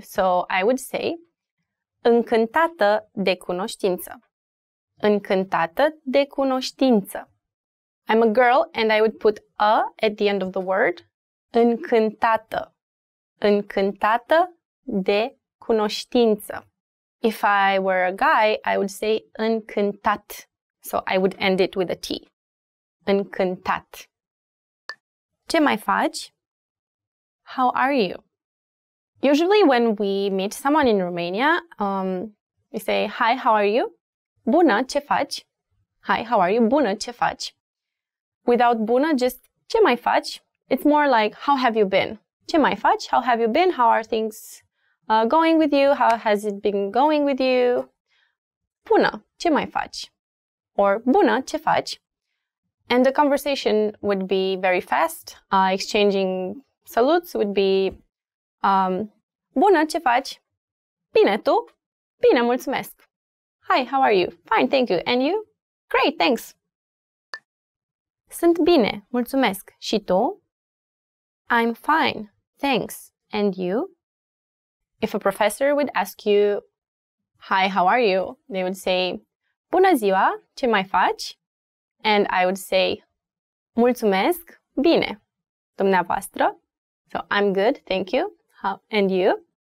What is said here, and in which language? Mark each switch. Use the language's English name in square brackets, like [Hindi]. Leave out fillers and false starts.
[English] So I would say, [Romanian] încântată de cunoștință. Încântată de cunoștință. [English] I'm a girl and I would put a at the end of the word. [Romanian] Încântată. Încântată de cunoștință. [English] If I were a guy, I would say încântat. So I would end it with a T. Încântat. [Romanian] Ce mai faci? [English] How are you? Usually when we meet someone in Romania, we say, hi, how are you? [Romanian] Bună, ce faci? [English] Hi, how are you? [Romanian] Bună, ce faci? Without bună, just ce mai faci? [English] It's more like, how have you been? [Romanian] Ce mai faci? [English] How have you been? How are things going with you? How has it been going with you? [Romanian] Bună, ce mai faci? Or bună, ce faci? [English] And the conversation would be very fast. Exchanging salutes would be [Romanian] bună, ce faci? Bine, tu? Bine, mulțumesc. [English] Hi, how are you? Fine, thank you. And you? Great, thanks. [Romanian] Sunt bine, mulțumesc. Și tu? [English] I'm fine, Thanks. And you? If a professor would ask you, "Hi, how are you?" they would say, [Romanian] "Bună ziua, ce mai faci?" [English] And I would say, [Romanian] "Mulțumesc, bine, dumneavoastră." [English] So I'm good, thank you. How, and you?